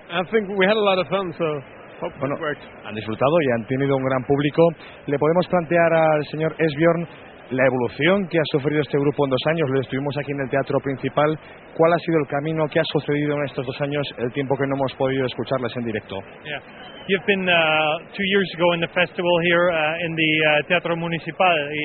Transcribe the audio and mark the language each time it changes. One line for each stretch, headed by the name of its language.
English: I think we had a lot of fun, so hope
Spanish: bueno,
English: it worked.
Spanish: Han disfrutado y han tenido un gran público. ¿Le podemos plantear al señor Esbjörn la evolución que ha sufrido este grupo en dos años? Lo estuvimos aquí en el teatro principal. ¿Cuál ha sido el camino que ha sucedido en estos dos años, el tiempo que no hemos podido escucharles en directo?
English: Yeah. You've been 2 years ago in the festival here in the Teatro Municipal.